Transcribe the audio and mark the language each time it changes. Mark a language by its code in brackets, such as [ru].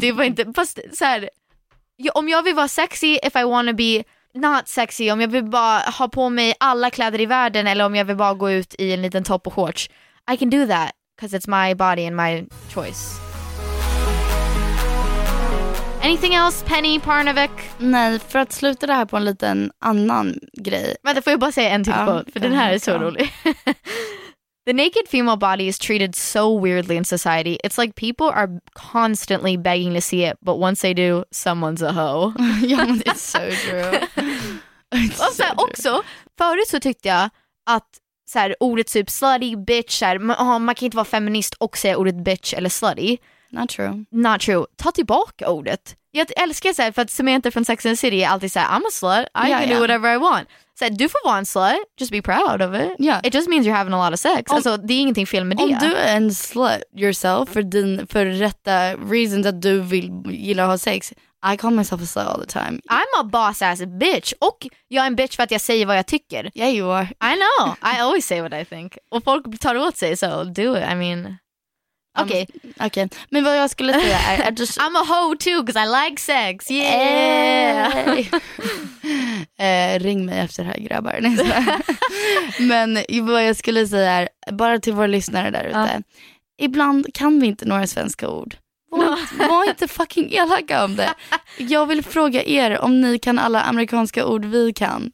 [sv] Det var inte, fast så här, om jag vill vara sexy, [en] if I wanna be not sexy, [sv] om jag vill bara ha på mig alla kläder i världen eller om jag vill bara gå ut i en liten topp och shorts, [en] I can do that, because it's my body and my choice. Anything else, Penny Parnevik? [sv] Nej, för att sluta det här på en liten annan grej. Vänta, får jag bara säga en till quote, för den här är så rolig. [en] The naked female body is treated so weirdly in society. It's like people are constantly begging to see it, but once they do, someone's a hoe. [sv] Ja, men det är så [en] true. [sv] Och så också, förut så tyckte jag att så här, ordet typ slutty, bitch, här, man kan inte vara feminist och säga ordet bitch eller slutty. [en] Not true. Not true. [sv] Ta tillbaka ordet. Jag älskar så här, för att Samantha från Sex and the City är alltid så här, [en] I'm a slut, I can do whatever I want. [sv] Så du får vara en slut, [en] just be proud of it. Yeah. It just means you're having a lot of sex. [sv] Alltså, det är ingenting fel med det. Om du är en slut yourself för rätta reasons att du vill gilla att ha sex, [en] I call myself a slut all the time. I'm a boss ass bitch. [sv] Och jag är en bitch för att jag säger vad jag tycker. [en] Yeah, you are. I know. I always say what I think. [sv] Och folk tar åt sig, [en] so do it. I mean... [sv] Okej. Men vad jag skulle säga är... [en] I'm a hoe too, because I like sex. Yeah! [sv] ring mig efter det här, grabbar. Men vad jag skulle säga är, bara till våra lyssnare där ute. Ibland kan vi inte några svenska ord. Var inte fucking elaka om det. Jag vill fråga er om ni kan alla amerikanska ord vi kan.